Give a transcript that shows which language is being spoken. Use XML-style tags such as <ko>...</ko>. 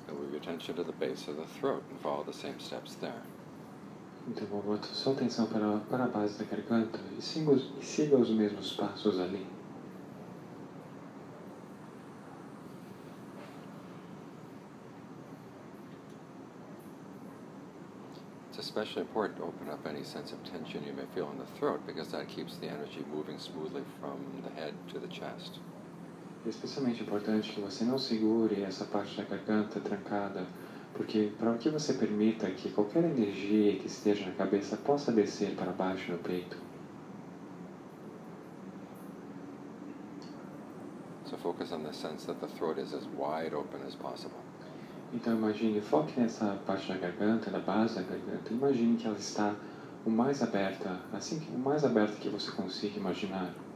<en>your attention to the base of the throat and follow the same steps there.</en> <pt>Então vou botar só atenção para a base da garganta e siga os mesmos passos ali.</pt> <en>It's especially important to open up any sense of tension you may feel in the throat because that keeps the energy moving smoothly from the head to the chest.</en> <pt>É especialmente importante que você não segure essa parte da garganta trancada, porque para que você permita que qualquer energia que esteja na cabeça possa descer para baixo no peito.</pt> <en>So focus on the sense that the throat is as wide open as possible.</en> <pt>Então imagine, foque nessa parte da garganta, da base da garganta, imagine que ela está o mais aberta, assim o mais aberta que você consiga imaginar.</pt>